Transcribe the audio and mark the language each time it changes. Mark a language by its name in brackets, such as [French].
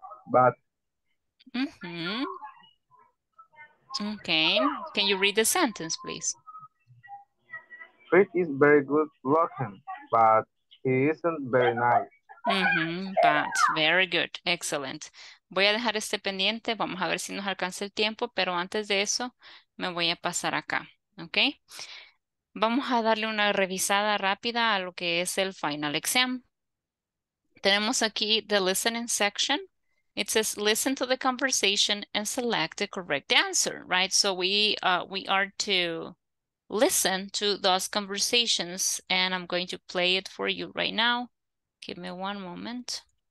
[English] But. Mm-hmm. Okay, can you read the sentence, please? Fred is very good looking, but he isn't very nice. Mm-hmm. But, very good, excellent. [Spanish] Voy a dejar este pendiente, vamos a ver si nos alcanza el tiempo, pero antes de eso me voy a pasar acá, ¿ok? Vamos a darle una revisada rápida a lo que es el final exam. Tenemos aquí [English] the listening section. It says, listen to the conversation and select the correct answer, right? So we are to listen to those conversations and I'm going to play it for you right now. Give me one moment.